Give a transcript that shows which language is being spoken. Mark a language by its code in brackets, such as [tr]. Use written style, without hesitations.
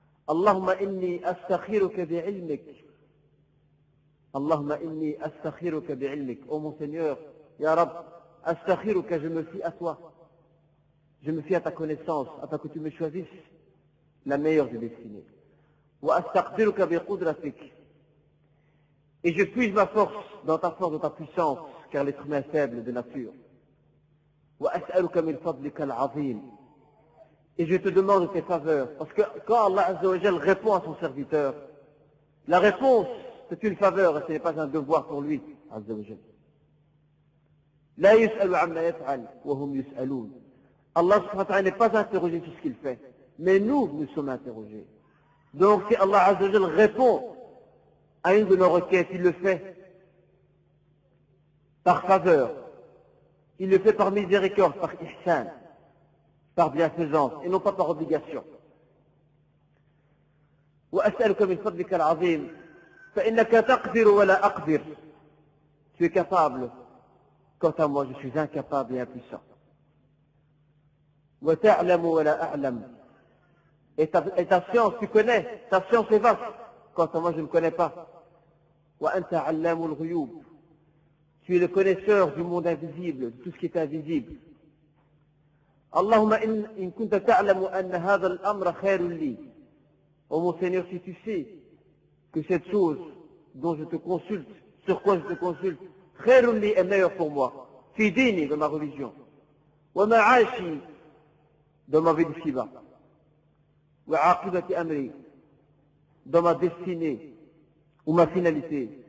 [ar] اللهم إني أستخيرك بعلمك [fr] اللهم إني أستخيرك بعلمك Oh mon Seigneur [ar] يا رب أستخيرك [fr] je me fie à toi je me fie à ta connaissance afin que tu me choisisses la meilleure des destinées [ar] وأستقدرك بقدرتك [fr] et je puise ma force dans ta force, dans ta puissance car l'être humain est faible de nature. [ar] وَأَسْأَلُكَ مِنْ فَضْلِكَ الْعَظِيمِ [fr] Et je te demande tes faveurs. Parce que quand Allah Azza wa Jal répond à son serviteur, la réponse, c'est une faveur et ce n'est pas un devoir pour lui, Azza wa Jal. [ar] لَا يُسْأَلُ عَمَّا يَفْعَلْ وَهُمْ يُسْأَلُونَ [fr] Allah Azza wa Jal n'est pas interrogé sur ce qu'il fait, mais nous sommes interrogés. Donc si Allah Azza wa Jal répond à une de nos requêtes, il le fait, par faveur, il le fait par miséricorde, par ihsan, par bienfaisance, et non pas par obligation. [ar] وأسألك من فضلك العظيم، فإنك تقدر ولا أقدر. [fr] Tu es capable. Quant à moi, je suis incapable et impuissant. [ar] وتعلم ولا أعلم. [fr] Et ta science, tu connais. Ta science est vaste. Quant à moi, je ne connais pas. [ar] وأنت علام الغيوب. [fr] Tu es le connaisseur du monde invisible, de tout ce qui est invisible. [ar] اللهم إن كنت تعلم أن هذا الأمر خير لي. [fr] Oh mon Seigneur, si tu sais que cette chose dont je te consulte, sur quoi je te consulte, [ar] خير لي [fr] est meilleur pour moi. [ar] في ديني, [fr] dans ma religion. [ar] ومعاشي, [fr] dans ma vie d'ici bas. [ar] وعاقبة أمري, [fr] dans ma destinée, ou ma finalité.